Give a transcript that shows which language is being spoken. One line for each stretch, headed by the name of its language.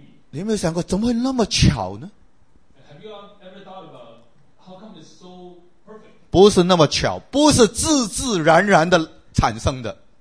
Chinese: 你有没有想过，怎么会那么巧呢？
English: Have you ever thought about how come it's so perfect?
Chinese: 不是那么巧，不是自自然然的产生的。